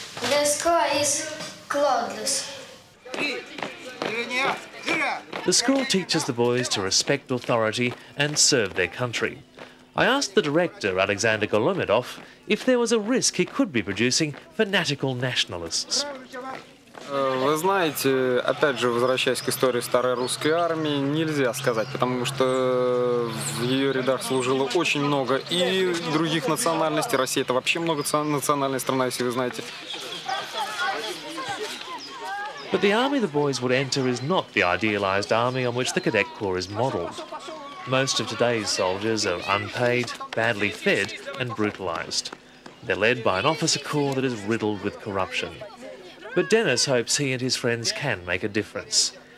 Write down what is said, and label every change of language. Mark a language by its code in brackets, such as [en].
[en] The sky is cloudless. The school teaches the boys to respect authority and serve their country. I asked the director, Alexander Golemedov, if there was a risk he could be producing fanatical nationalists. [ru] Вы знаете, опять же, возвращаясь к истории старой русской армии, нельзя сказать, потому что в ее рядах служило очень много и других национальностей. Россия — это вообще многонациональная страна, если вы знаете. [en] But the army the boys would enter is not the idealized army on which the cadet corps is modeled. Most of today's soldiers are unpaid, badly fed, and brutalized. They're led by an officer corps that is riddled with corruption. But Denis hopes he and his friends can make a difference.